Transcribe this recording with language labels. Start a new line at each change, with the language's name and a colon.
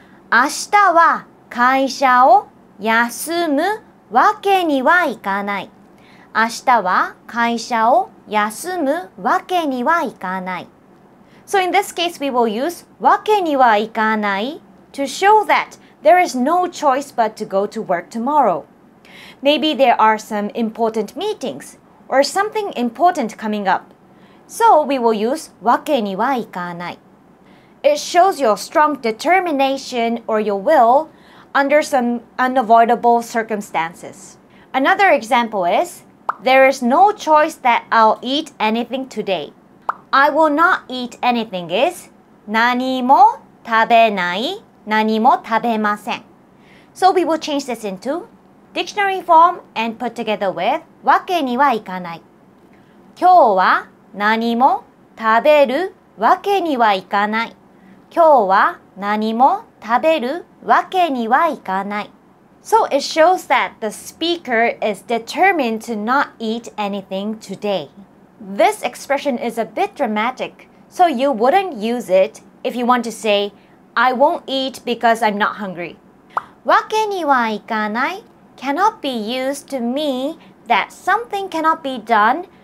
Japanese: 明日は会社を休むわけにはいかない。明日は会社を休むわけにはいかない。
English: So in this case, we will use わけにはいかない to show that there is no choice but to go to work tomorrow. Maybe there are some important meetings or something important coming up. So we will use わけにはいかない。It shows your strong determination or your will under some unavoidable circumstances. Another example is, there is no choice that I'll eat anything today. I will not eat anything is
Japanese: 何も食べない、何も食べません。
English: So we will change this into dictionary form and put together with わけにはいかない。
Japanese: 今日は何も食べるわけにはいかない。今日は何も食べるわけにはいかない。
English: So it shows that the speaker is determined to not eat anything today. This expression is a bit dramatic, so you wouldn't use it if you want to say, I won't eat because I'm not hungry. わけにはいかない cannot be used to mean that something cannot be done.